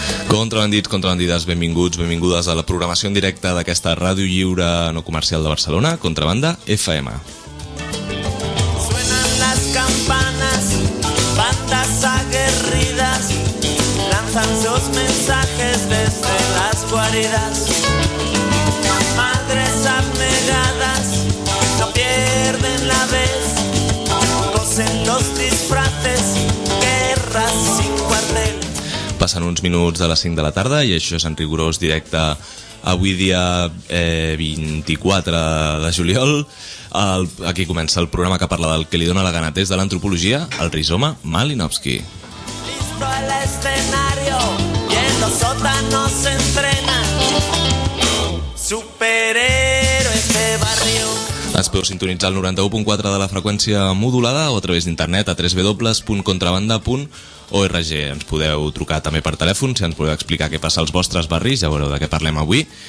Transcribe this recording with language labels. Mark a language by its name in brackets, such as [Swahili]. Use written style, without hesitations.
[Catalan] Contrabandits, contrabandides, benvinguts, benvingudes a la programació en directe d'aquesta ràdio lliure no comercial de Barcelona, Contrabanda FM. [Spanish] Suenan las campanas, bandas aguerridas, lanzan sus mensajes desde las guaridas. Madres abnegadas, no pierden la vez, cosen los disfraces, guerras. [Catalan] Passen uns minuts de les 5 de la tarda i això és en rigorós directe avui dia 24 de juliol. Aquí comença el programa que parla del que li dona la gana des de l'antropologia, el rizoma Malinowski. [Spanish] Listo el escenario y en los sótanos se entrenan superhéroes de barrio. [Catalan] Ens podeu sintonitzar al 91.4 de la freqüència modulada o a través d'internet a www.contrabanda.org. Ens podeu trucar també per telèfon si ens podeu explicar què passa als vostres barris, ja veureu de què parlem avui.